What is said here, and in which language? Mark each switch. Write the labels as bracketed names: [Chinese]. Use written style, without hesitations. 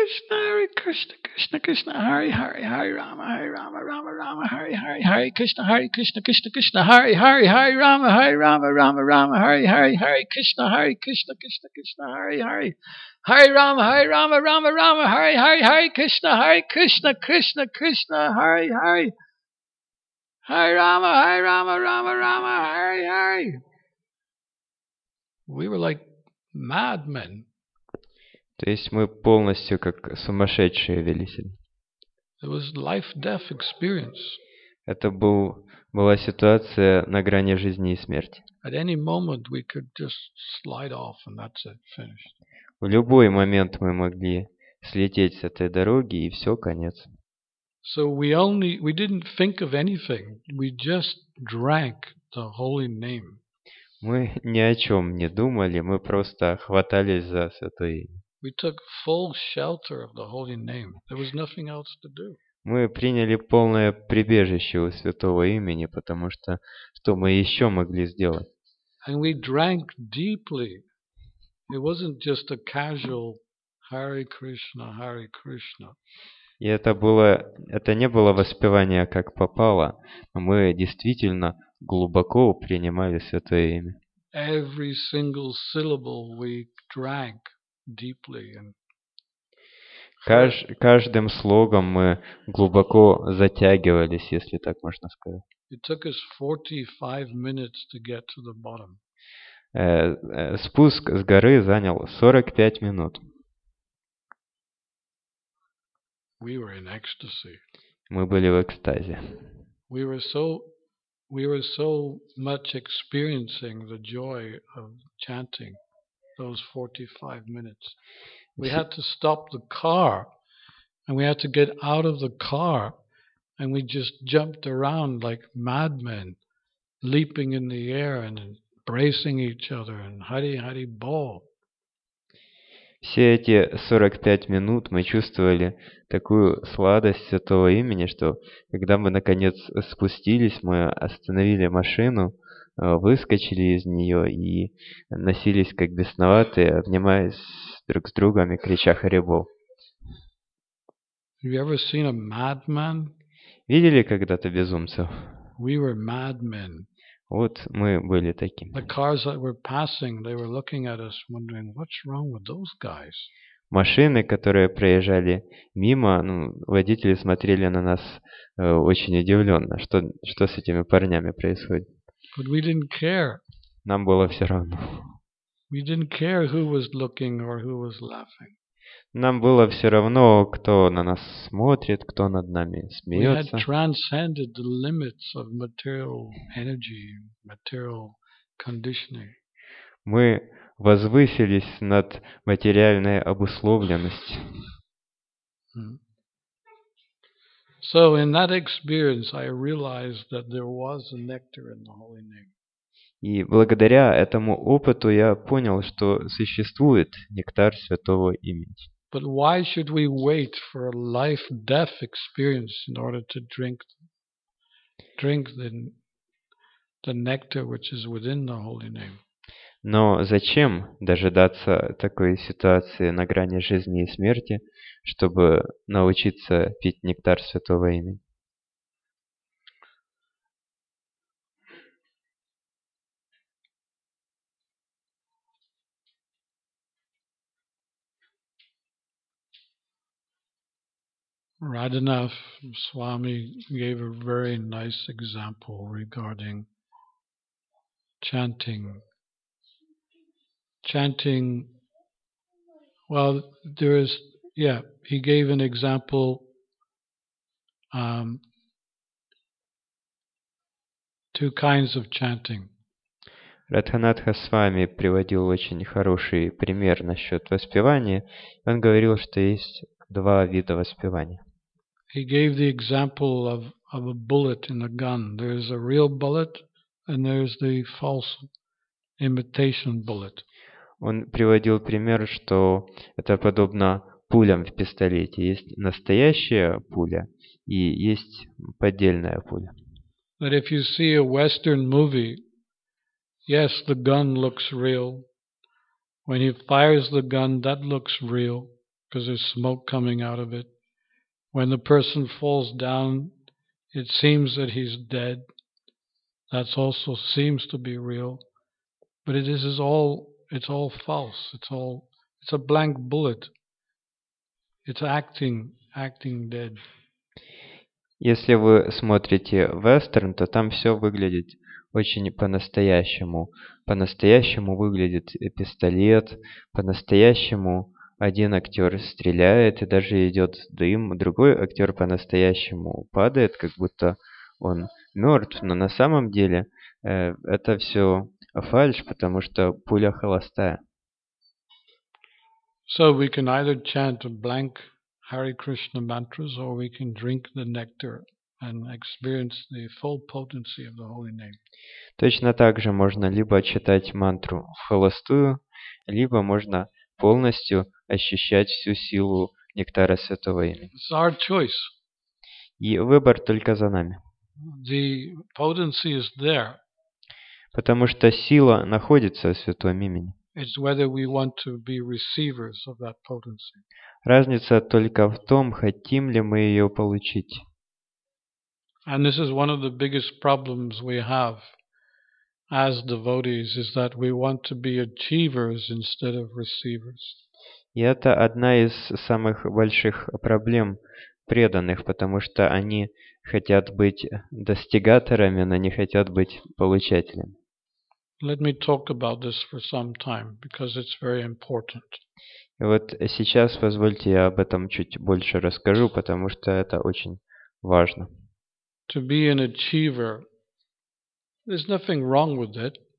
[Sanskrit] Hare Krishna, Krishna Krishna, Hare Hare, Hare Rama, Hare Rama, Rama Rama, Hare Hare, Hare Krishna, Hare Krishna, Krishna Krishna, Hare Hare, Hare Rama, Hare Rama, Rama Rama, Hare Hare, Hare Krishna, Hare Krishna, Krishna Krishna, Hare Hare, Hare Rama, Hare Rama, Rama Rama, Hare Hare, Hare Krishna, Hare Krishna, Krishna Krishna, Hare Hare, Hare Rama, Hare Rama, Rama Rama, Hare Hare. [English] We were like madmen. [Russian] То есть мы полностью как сумасшедшие вели себя. [English] It was life-death experience. [Russian] Это была ситуация на грани жизни и смерти. [English] At any moment we could just slide off and that's it, finished. [Russian] В любой момент мы могли слететь с этой дороги и все, конец. [English] So we didn't think of anything. We just drank the holy name. [Russian] Мы ни о чем не думали, мы просто хватались за святое имя. [English] We took full shelter of the holy name. There was nothing else to do. [Russian] Мы приняли полное прибежище у святого имени, потому что мы еще могли сделать? [English] And we drank deeply. It wasn't just a casual Hare Krishna, Hare Krishna. [Russian] И это не было воспевание как попало, но мы действительно глубоко принимали святое имя. [English] Every single syllable we drank deeply and [Russian] каждым слогом мы глубоко затягивались, если так можно сказать. [English] It took us 45 minutes to get to the bottom. [Russian] Спуск с горы занял 45 минут. [English] We were in ecstasy. [Russian] Мы были в экстазе. [English] We were so much experiencing the joy of chanting those 45 minutes. We had to stop the car, and we had to get out of the car, and we just jumped around like madmen, leaping in the air and embracing each other and Hari Hari Bol. [Russian] Все эти 45 минут мы чувствовали такую сладость святого имени, что когда мы наконец спустились, мы остановили машину, выскочили из нее и носились как бесноватые, обнимаясь друг с другом и крича Hare Bol. [English] Have you ever seen a madman? [Russian] Видели когда-то безумцев? [English] We were madmen. [Russian] Вот мы были такими. [English] The cars that were passing, they were looking at us, wondering, what's wrong with those guys? [Russian] Машины, которые проезжали мимо, водители смотрели на нас очень удивленно, что с этими парнями происходит. [English] But we didn't care. [Russian] Нам было все равно. [English] We didn't care who was looking or who was laughing. [Russian] Нам было все равно, кто на нас смотрит, кто над нами смеется. [English] We had transcended the limits of material energy, material conditioning. [Russian] Мы возвысились над материальной обусловленностью. [English] So in that experience I realized that there was a nectar in the holy name. [Russian] И благодаря этому опыту я понял, что существует нектар святого имени. [English] But why should we wait for a life-death experience in order to drink the nectar which is within the holy name? [Russian] Но зачем дожидаться такой ситуации на грани жизни и смерти, чтобы научиться пить нектар святого имени? [English] Radhanath Swami gave a very nice example regarding chanting. Well, there is, yeah, he gave an example two kinds of chanting. [Russian] Радханат Госвами приводил очень хороший пример насчет воспевания. Он говорил, что есть два вида воспевания. [English] He gave the example of a bullet in a gun. There is a real bullet and there is the false imitation bullet. [Russian] Он приводил пример, что это подобно пулям в пистолете. Есть настоящая пуля и есть поддельная пуля. [English] But if you see a Western movie, yes, the gun looks real. When he fires the gun, that looks real because there's smoke coming out of it. When the person falls down, it seems that he's dead. That also seems to be real. But it's all false. It's a blank bullet. It's acting dead. [Russian] Если вы смотрите вестерн, то там все выглядит очень по-настоящему. По-настоящему выглядит пистолет, по-настоящему один актер стреляет и даже идет дым, другой актер по-настоящему падает, как будто он мертв. Но на самом деле это все фальшь, потому что пуля холостая. [English] So we can either chant a blank Hare Krishna mantras, or we can drink the nectar and experience the full potency of the holy name. [Russian] Точно так же можно либо читать мантру вхолостую, либо можно полностью ощущать всю силу нектара святого имени. [English] It's our choice. [Russian] И выбор только за нами. [English] The potency is there. [Russian] Потому что сила находится в святом имени. [English] It's whether we want to be receivers of that potency. [Russian] Разница только в том, хотим ли мы ее получить. [English] And this is one of the biggest problems we have as devotees, is that we want to be achievers instead of receivers. [Russian] И это одна из самых больших проблем преданных, потому что они хотят быть достигаторами, но не хотят быть получателями. [English] Let me talk about this for some time, because it's very important. [Russian] И вот сейчас позвольте я об этом чуть больше расскажу, потому что это очень важно. [English] To be an achiever, there's nothing wrong with it.